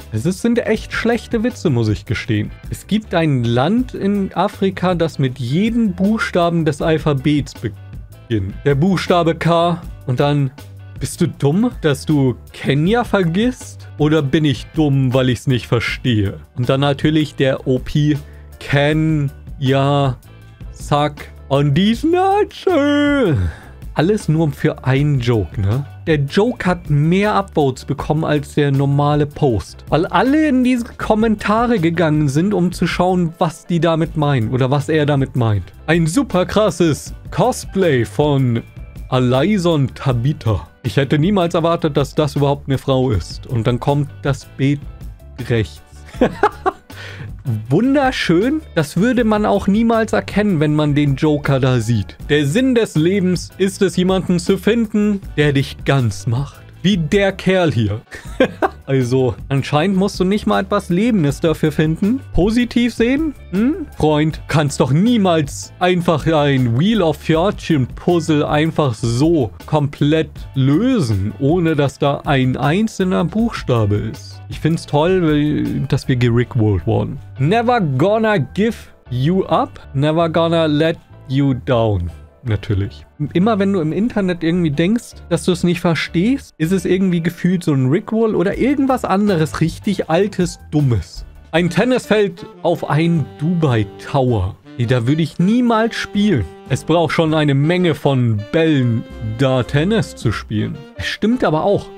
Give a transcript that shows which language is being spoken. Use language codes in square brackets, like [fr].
[de] Es sind echt schlechte Witze, muss ich gestehen. Es gibt ein Land in Afrika, das mit jedem Buchstaben des Alphabets beginnt. Der Buchstabe K und dann... Bist du dumm, dass du Kenia vergisst? Oder bin ich dumm, weil ich es nicht verstehe? Und dann natürlich der OP. [en] Ken, ja, suck on these nuts. [de] Alles nur für einen Joke, ne? Der Joke hat mehr Upvotes bekommen als der normale Post. Weil alle in diese Kommentare gegangen sind, um zu schauen, was die damit meinen. Oder was er damit meint. Ein super krasses Cosplay von Alison Tabitha. Ich hätte niemals erwartet, dass das überhaupt eine Frau ist. Und dann kommt das Bild rechts. Wunderschön. Das würde man auch niemals erkennen, wenn man den Joker da sieht. Der Sinn des Lebens ist es, jemanden zu finden, der dich ganz macht. Wie der Kerl hier. Also, anscheinend musst du nicht mal etwas Lebendes dafür finden. Positiv sehen? Hm? Freund, kannst doch niemals einfach ein Wheel of Fortune Puzzle einfach so komplett lösen, ohne dass da ein einzelner Buchstabe ist. Ich find's toll, dass wir gerickrollt wurden. [en] Never gonna give you up, never gonna let you down. [de] Natürlich. Immer wenn du im Internet irgendwie denkst, dass du es nicht verstehst, ist es irgendwie gefühlt so ein Rickroll oder irgendwas anderes richtig altes, dummes. Ein Tennisfeld auf einen Dubai Tower. Nee, da würde ich niemals spielen. Es braucht schon eine Menge von Bällen, da Tennis zu spielen. Es stimmt aber auch.